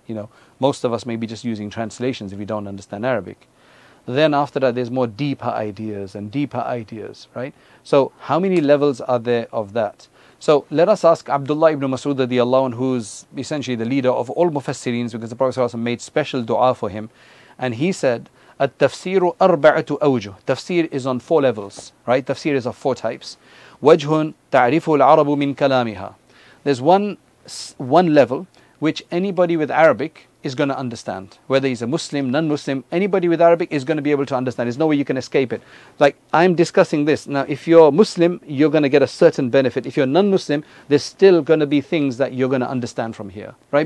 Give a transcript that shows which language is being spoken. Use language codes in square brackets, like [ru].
[en] You know, most of us may be just using translations if we don't understand Arabic. Then after that, there's more deeper ideas, right? So how many levels are there of that? So let us ask Abdullah ibn Mas'ud radiallahu anhu, who's essentially the leader of all Mufassirins, because the Prophet ﷺ made special dua for him. And he said, [ar] التفسير أربعة أوجه. [en] Tafsir is on four levels, right? Tafsir is of four types. [ar] وجه تعرفه العرب من كلامها. [en] There's one level which anybody with Arabic is going to understand. Whether he's a Muslim, non-Muslim, anybody with Arabic is going to be able to understand. There's no way you can escape it. Like, I'm discussing this. Now, if you're Muslim, you're going to get a certain benefit. If you're non-Muslim, there's still going to be things that you're going to understand from here, right?